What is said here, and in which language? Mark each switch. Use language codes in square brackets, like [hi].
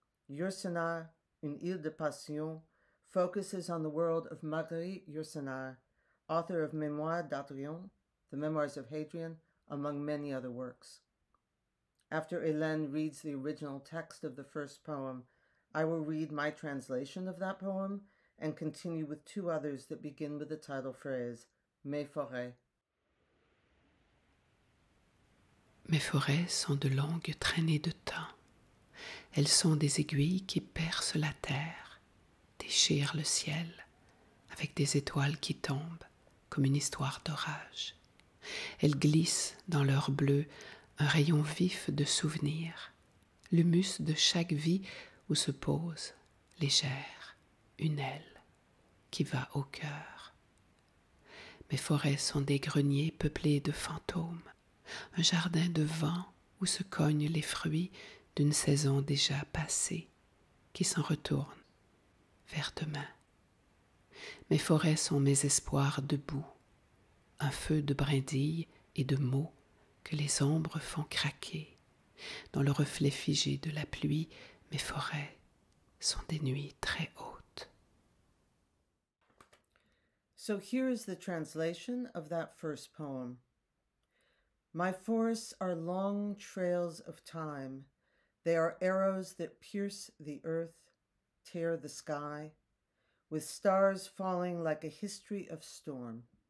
[en] Yourcenar, Une île de passion, focuses on the world of Marguerite Yourcenar, author of Mémoires d'Adrien, The Memoirs of Hadrian, among many other works. After Hélène reads the original text of the first poem, I will read my translation of that poem and continue with two others that begin with the title phrase, Mes forêts. [fr] Mes forêts sont de longues traînées de temps. Elles sont des aiguilles qui percent la terre, déchirent le ciel, avec des étoiles qui tombent comme une histoire d'orage. Elles glissent dans leur bleu, un rayon vif de souvenirs, l'humus de chaque vie où se pose, légère, une aile qui va au cœur. Mes forêts sont des greniers peuplés de fantômes, un jardin de vent où se cognent les fruits d'une saison déjà passée, qui s'en retourne vers demain. Mes forêts sont mes espoirs debout, un feu de brindilles et de mots que les ombres font craquer. Dans le reflet figé de la pluie, mes forêts sont des nuits très hautes. [en] So here is the translation of that first poem. My forests are long trails of time. They are arrows that pierce the earth, tear the sky, with stars falling like a history of storm.